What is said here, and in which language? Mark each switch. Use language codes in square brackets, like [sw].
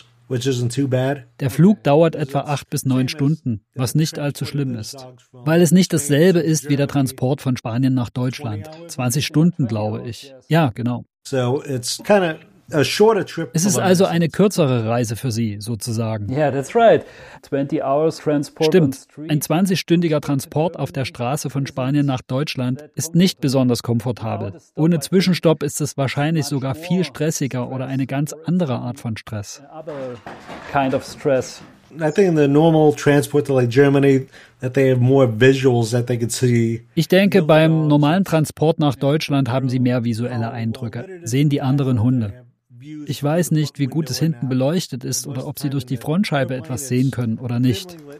[de] Der Flug dauert etwa 8 bis 9 Stunden, was nicht allzu schlimm ist. Weil es nicht dasselbe ist wie der Transport von Spanien nach Deutschland. 20 Stunden, glaube ich. Ja, genau. [en] So it's kind of a shorter trip. [de] Es ist also eine kürzere Reise für Sie, sozusagen. [en] Yeah, that's right. 20 hours transport. [de] Stimmt. Ein 20-stündiger Transport auf der Straße von Spanien nach Deutschland ist nicht besonders komfortabel. Ohne Zwischenstopp ist es wahrscheinlich sogar viel stressiger oder eine ganz andere Art von Stress. [en] Kind of stress. I think in the normal transport to like Germany that they have more visuals that they can see. [de] Ich denke, beim normalen Transport nach Deutschland haben sie mehr visuelle Eindrücke, sehen die anderen Hunde. Ich weiß nicht, wie gut es hinten beleuchtet ist oder ob sie durch die Frontscheibe etwas sehen können oder nicht.